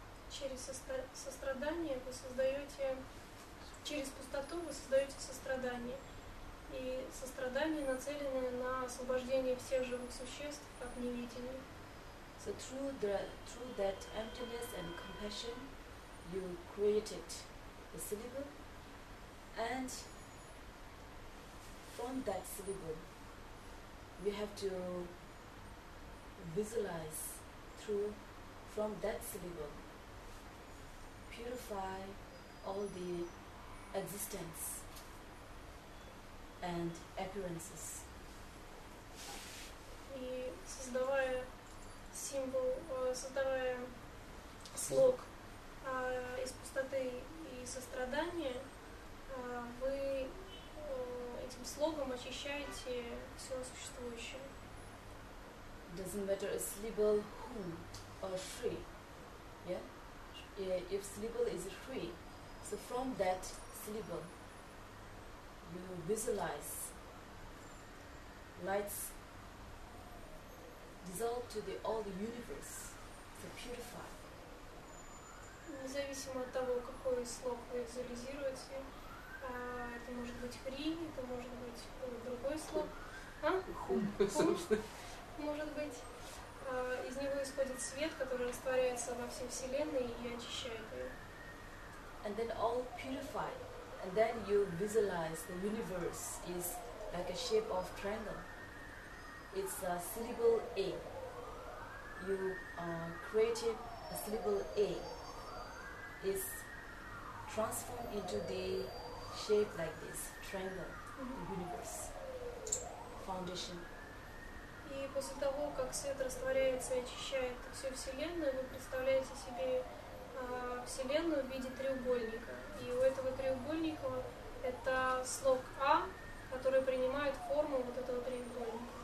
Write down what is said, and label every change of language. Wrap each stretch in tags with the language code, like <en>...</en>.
<ru>Через сострадание вы создаете, через пустоту вы создаете сострадание. И сострадание нацелено на освобождение всех живых существ от неведения.</ru> <en>So through that emptiness and compassion, you created the syllable, and from that syllable, you have to visualize through, from that syllable, purify all the existence and appearances.</en> <ru>И создавая символ, создавая слог из пустоты и сострадания, вы этим слогом очищаете все существующее.</ru> <en>Doesn't matter if syllable whom or free, yeah? If syllable is free, so from that syllable, you visualize lights dissolve to the all the universe, to purify.</en> <ru>Независимо от того, какой слог вы визуализируете, это может быть free, это может быть другой слог. Может быть. Из него исходит свет, который растворяется во всей вселенной и очищает ее.</ru> <en>And then all purified. And then you visualize the universe is like a shape of triangle. It's a syllable A. You created a syllable A. It's transformed into the shape like this, triangle, the universe, foundation.</en> <ru>И после того, как свет растворяется и очищает всю Вселенную, вы представляете себе Вселенную в виде треугольника. И у этого треугольника это слог А, который принимает форму вот этого треугольника.</ru>